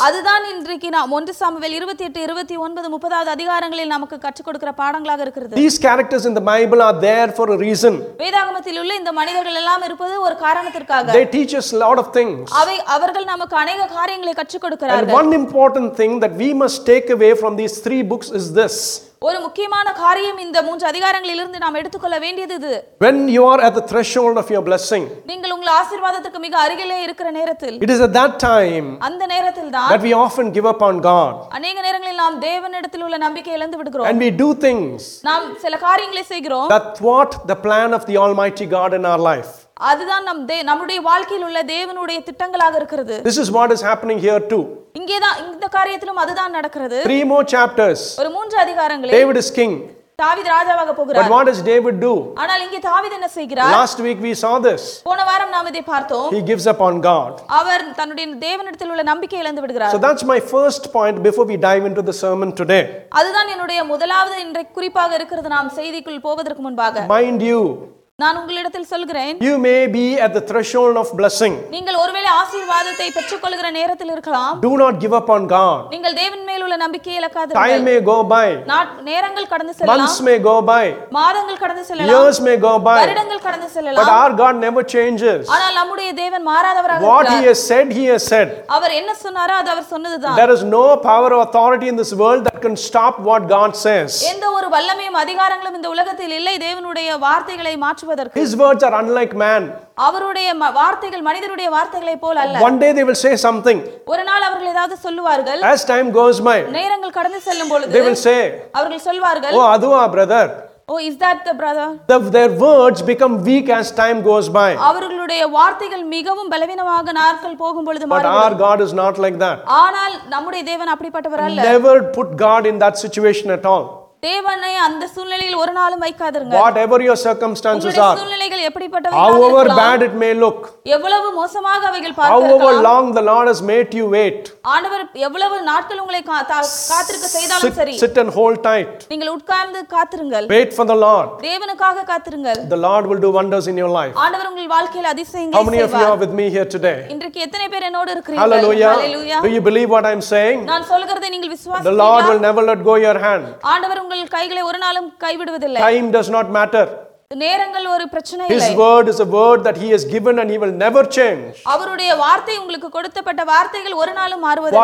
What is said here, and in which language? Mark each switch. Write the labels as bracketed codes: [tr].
[ta] அதுதான் இன்றைக்கு நாம் 1 சாமுவேல் 28 29 30வது அதிகாரங்களில் நமக்கு கற்றுக் கொடுக்கிற பாடங்களாக இருக்கிறது. [en] These characters in the Bible are there for a reason. [ta] வேதாகமத்தில் உள்ள இந்த மனிதர்கள் எல்லாம் இருப்பது ஒரு காரணத்திற்காக. [en] They teach us a lot of things. [ta] அவர்கள் நமக்கு அநேக காரியங்களை கற்றுக் கொடுக்கிறார்கள். [en] And one important thing that we must take away from these three books is this. [ta] ஒரு முக்கியமான காரியம் இந்த மூன்று அதிகாரங்களிலிருந்து நாம் எடுத்துக்கொள்ள வேண்டியது, [en] when you are at the threshold of your blessing, [ta] நீங்கள் உங்கள் ஆசீர்வாதத்துக்கு மிக அருகிலே இருக்கிற நேரத்தில், [en] it is at that time, [ta] அந்த நேரத்தில் தான், [en] that we often give up on God, [ta] அநேக நேரங்களில் நாம் தேவனிடத்தில் உள்ள நம்பிக்கை இழந்து விடுகிறோம். [en] And we do things, [ta] நாம் சில காரியங்களை செய்கிறோம், [en] that thwart the plan of the Almighty God in our life. [ta] அதுதான் நம்முடைய வாழ்க்கையில் உள்ள தேவனுடைய திட்டங்களாக இருக்கிறது. [en] This is what is happening here too. [ta] இங்கேதான் இந்த காரியத்திலும் அதுதான் நடக்கிறது. [en] Three more chapters. [ta] ஒரு மூன்று அதிகாரங்களில் [en] David is king. [ta] தாவீது ராஜாவாக போகிறார். [en] But what does David do? [ta] ஆனால் இங்கே தாவீது என்ன செய்கிறார்? [en] Last week we saw this. [ta] போன வாரம் நாம் இதை பார்த்தோம். [en] He gives up on God. [ta] அவர் தன்னுடைய தேவனிடத்தில் உள்ள நம்பிக்கை இழந்து விடுகிறார். [en] So that's my first point before we dive into the sermon today. [ta] அதுதான் என்னுடைய முதலாவது இன்றைக்கு குறிப்பாக இருக்கிறது நாம் செய்திக்குள் போவதற்கு முன்பாக. [en] Mind you, [ta] நான் உங்களிடத்தில் சொல்கிறேன், [en] you may be at the threshold of blessing, [ta] நீங்கள் ஒருவேளை ஆசீர்வாதத்தை பெற்றுக்கொள்கிற நேரத்தில் இருக்கலாம். [en] Do not give up on God, [ta] நீங்கள் தேவன் மேல் உள்ள நம்பிக்கையை இழக்காதீர்கள். [en] Time may go by, [ta] நேரங்கள் கடந்து செல்லலாம். [en] Months may go by, [ta] மாதங்கள் கடந்து செல்லலாம். [en] Years may go by, [ta] வருடங்கள் கடந்து செல்லலாம். [en] But our God never changes, [ta] ஆனால் நம்முடைய தேவன் மாறாதவராக இருக்கிறார். [en] What he has said, he has said, [ta] அவர் என்ன சொன்னாரோ அது அவர் சொன்னதுதான். [en] There is no power or authority in this world that can stop what God says, [ta] எந்த ஒரு வல்லமையும் அதிகாரங்களும் இந்த உலகத்தில் இல்லை தேவனுடைய வார்த்தைகளை மாற்றுவதற்கு. [en] His words are unlike man, [ta] அவருடைய வார்த்தைகள் மனிதருடைய வார்த்தைகளை போல் அல்ல. [en] One day they will say something, [ta] ஒரு நாள் அவர்கள் ஏதாவது சொல்வார்கள். [en] As time goes by, [ta] நேரங்கள் கடந்து செல்லும் பொழுது [en] they will say, [ta] அவர்கள் சொல்வார்கள், ஓ அதுவா brother, [en] oh is that the brother, their words become weak as time goes by, [ta] அவர்களுடைய வார்த்தைகள் மிகவும் பலவீனமாக நாட்கள் போகும் பொழுது மாறுகிறது. [en] But our God is not like that, [ta] ஆனால் நம்முடைய தேவன் அப்படிப்பட்டவர் அல்ல. [en] Never put God in that situation at all, [ta] தேவனை அந்த சூழ்நிலையில் ஒரு நாளும் வைக்காதீர்கள். [en] Whatever your circumstances are, [ta] சூழ்நிலைகள் எப்படிப்பட்டவையாக இருந்தாலும், [en] however bad it may look, [ta] எவ்வளவு மோசமாக அவைகள் பார்க்கலாம், [en] however long the Lord has made you wait, [ta] ஆண்டவர் எவ்வளவு நாட்கள் உங்களை காத்திருக்க செய்தாலும் சரி, [en] sit and hold tight, [ta] நீங்கள் உட்கார்ந்து காத்திருங்கள், [en] wait for the Lord, [ta] தேவனுக்காக காத்திருங்கள், [en] the Lord will do wonders in your life, [ta] ஆண்டவர் உங்கள் வாழ்க்கையில் அதிசயங்களை செய்வார். [en] How many of you are with me here today? [ta] இன்றைக்கு எத்தனை பேர் என்னோடு இருக்கிறீர்கள்? [en] Hallelujah. Do you believe what I am saying? [ta] நான் சொல்கிறதை நீங்கள் விசுவாசிங்க. [en] The Lord will never let go your hand, [ta] ஆண்டவர் உங்கள் கைகளை ஒரு நாளும் கைவிடுவதில்லை. [en] Time does not matter, [ta] நேரங்கள் ஒரு பிரச்சனை இல்லை. [en] His word is a word that he has given and he will never change. [ta] அவருடைய வார்த்தை உங்களுக்கு கொடுக்கப்பட்ட வார்த்தைகள் ஒரு நாளும் மாறுவதில்லை.